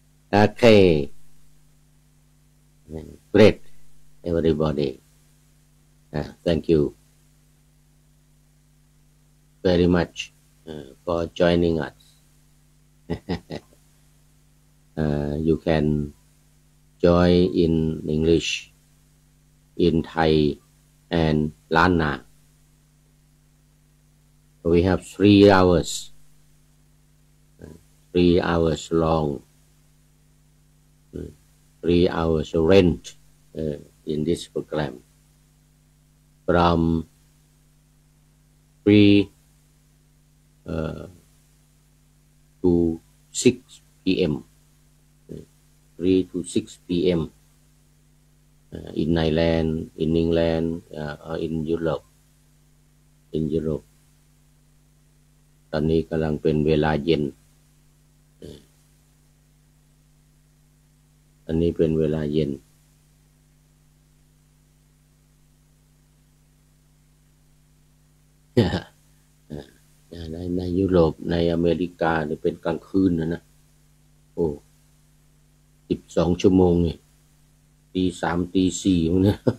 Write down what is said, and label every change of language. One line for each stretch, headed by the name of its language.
English: โอเค great everybody thank you very much for joining us you can join in English, in Thai, and Lanna. We have 3 hours, 3 hours long, 3 hours rent in this program from 3 to 6 p.m. 3 to 6 p.m. In Ireland, in England, or in Europe. In Europe.
Thai: ตอนนี้กำลังเป็นเวลาเย็นอันนี้เป็นเวลาเย็นในยุโรปในอเมริกาเนี่ยเป็นกลางคืนนะโอ้12ชั่วโมงนี่ตี3ตี4พวกนี้